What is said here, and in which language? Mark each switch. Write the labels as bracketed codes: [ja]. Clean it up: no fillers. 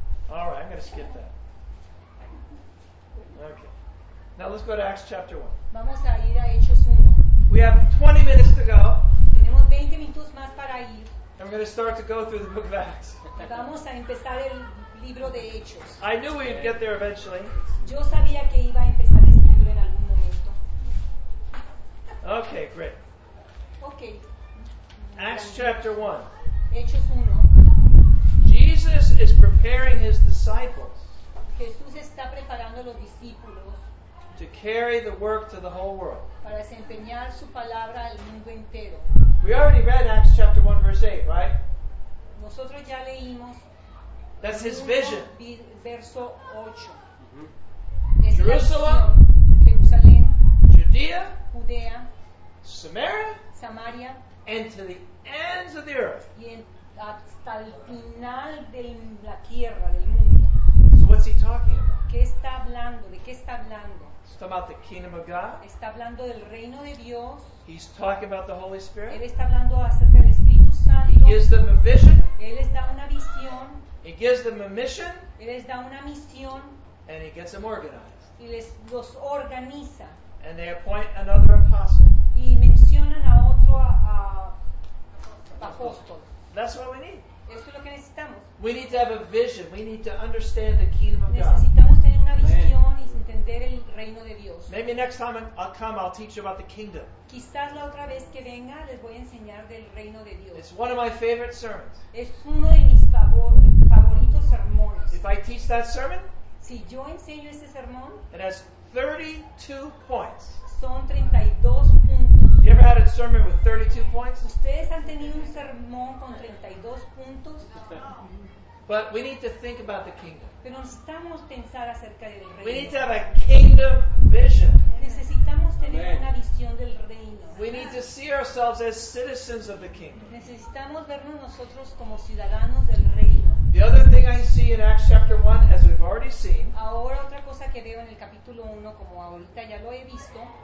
[en] All right, I'm going to skip that. Okay. Now let's go to Acts chapter 1. [es] Vamos a ir a Hechos 1. [en] We have 20 minutes to go. [es] Tenemos 20 minutos más para ir. [en] I'm going to start to go through the book of Acts. [es] Vamos a empezar el libro de Hechos. [en] I knew we'd get there eventually. [es] Yo sabía que iba a empezar este libro en algún momento. [en] Okay, great. Okay. Acts chapter 1. [es] Hechos 1. [en] Jesus is preparing his disciples. [es] Jesús está preparando a los discípulos. [en] To carry the work to the whole world. [es] Para desempeñar su palabra al mundo entero. [en] We already read Acts chapter 1 verse 8, right? [es] Nosotros ya leímos. [en] That's his vision. [es] Verso 8. [en] Mm-hmm. Jerusalem. [es] Jerusalén. [en] Judea. [es] Judea. [en] Samaria. [es] Samaria. [en] And to the ends of the earth. [es] Y hasta el final de la tierra, del mundo. [en] So what's he talking about? [es] ¿Qué está hablando? ¿De qué está hablando? [en] He's talking about the kingdom of God. [es] Está hablando del reino de Dios. [en] He's talking about the Holy Spirit. [es] Él está hablando acerca del Espíritu Santo. [en] He gives them a vision. [es] Él les da una visión. [en] He gives them a mission. [es] Él les da una misión. [en] And he gets them organized. [es] Y les los organiza. [en] And they appoint another apostle. [es] Y mencionan a otro apóstol. [en] That's what we need. [es] Esto es lo que necesitamos. [en] We need to have a vision. We need to understand the kingdom of God. [es] Necesitamos tener una visión y entender el reino de Dios. [en] Maybe next time I'll come, I'll teach you about the kingdom. [es] Quizás la otra vez que venga les voy a enseñar del reino de Dios. [en] It's one of my favorite sermons. [es] Es uno de mis favoritos sermones. [en] If I teach that sermon, [es] Si yo enseño ese sermón, [en] it has 32 points. [es] Son 32 puntos. [en] You ever had a sermon with 32 points? [es] ¿Ustedes han tenido un sermón con 32 puntos? [en] But we need to think about the kingdom. [es] Pero necesitamos pensar acerca del reino. [en] We need to have a kingdom vision. [es] Necesitamos tener una visión del reino. [en] We need to see ourselves as citizens of the kingdom. [es] Necesitamos vernos nosotros como ciudadanos del reino. [en] The other thing I see in Acts chapter 1, as we've already seen, [es] ahora otra cosa que veo en el capítulo 1, como ahorita ya lo he visto,